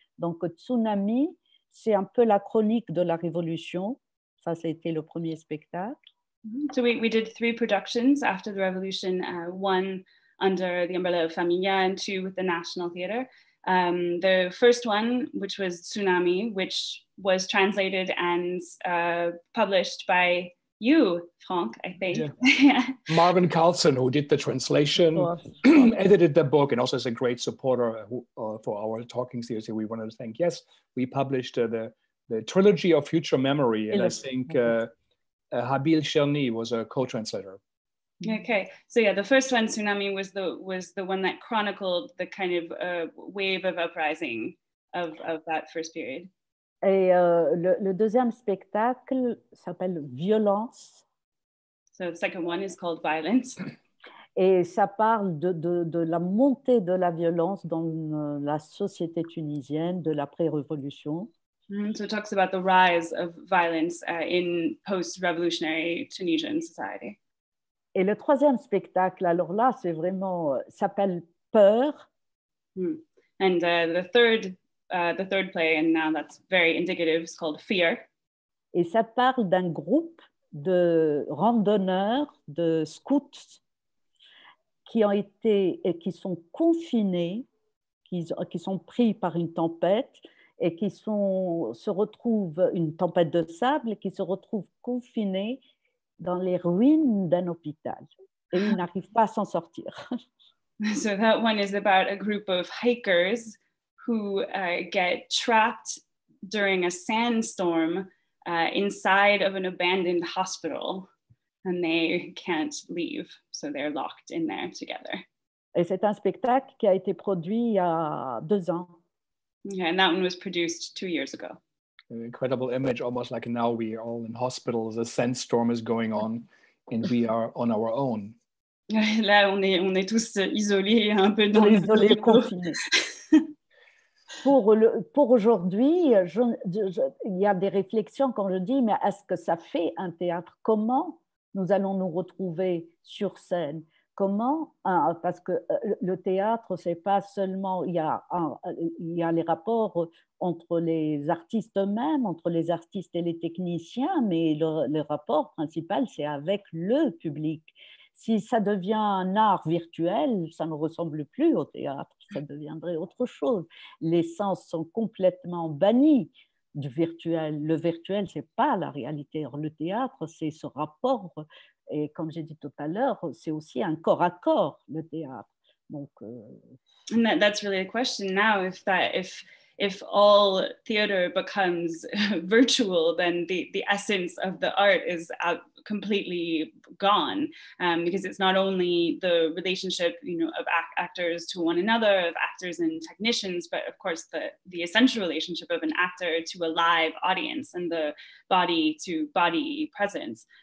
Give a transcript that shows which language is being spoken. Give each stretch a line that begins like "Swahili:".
French: Donc, Tsunami, c'est un peu la chronique de la révolution. Ça, c'était le premier spectacle.
English: So we did three productions after the revolution, one under the umbrella of Familia and two with the National Theatre. The first one, which was Tsunami, which was translated and published by you, Franck, I think. Yeah. Marvin Carlson, who did the translation, edited the book, and also is a great supporter for our talking series. We wanted to thank, yes, we published the Trilogy of Future Memory, and I think Habil Cherny was a co-translator. Okay, so yeah, the first one, Tsunami, was the one that chronicled the kind of wave of uprising of that first period.
French: Et le deuxième spectacle s'appelle Violence.
English: So the second one is called Violence.
French: Et ça parle de la montée de la violence dans la société tunisienne de l'après-révolution.
English: So it talks about the rise of violence in post-revolutionary Tunisian society.
French: Et le troisième spectacle, alors là, c'est vraiment, s'appelle Peur.
English: And the third play, and now that's very indicative, is called Fear.
French: Et ça parle d'un groupe de randonneurs, de scouts, qui sont confinés, qui sont pris par une tempête, et qui se retrouvent confinés dans les ruines d'un hôpital et ils n'arrivent pas à s'en sortir.
English: So that one is about a group of hikers who get trapped during a sandstorm inside of an abandoned hospital and they can't leave, so they're locked in there together.
French: Et c'est un spectacle qui a été produit il y a 2 ans.
English: Yeah, and that one was produced 2 years ago. An incredible image, almost like now we are all in hospitals, a sandstorm is going on, and we are on our own.
French: Là, on est tous isolés, un peu dans isolés, confinés. pour aujourd'hui, il y a des réflexions, quand je dis, mais est-ce que ça fait un théâtre? Comment nous allons nous retrouver sur scène? Comment? Parce que le théâtre, c'est pas seulement, il y a les rapports entre les artistes eux-mêmes, entre les artistes et les techniciens, mais le rapport principal, c'est avec le public. Si ça devient un art virtuel, ça ne ressemble plus au théâtre, ça deviendrait autre chose. Les sens sont complètement bannis du virtuel. Le virtuel, c'est pas la réalité. Le théâtre, c'est ce rapport. Et comme j'ai dit tout à l'heure, c'est aussi un corps à corps, le théâtre. Donc,
English: And that's really a question now. If if all theater becomes virtual, then the essence of the art is out, completely gone, because it's not only the relationship, you know, of actors to one another, of actors and technicians, but of course the essential relationship of an actor to a live audience and the body to body presence.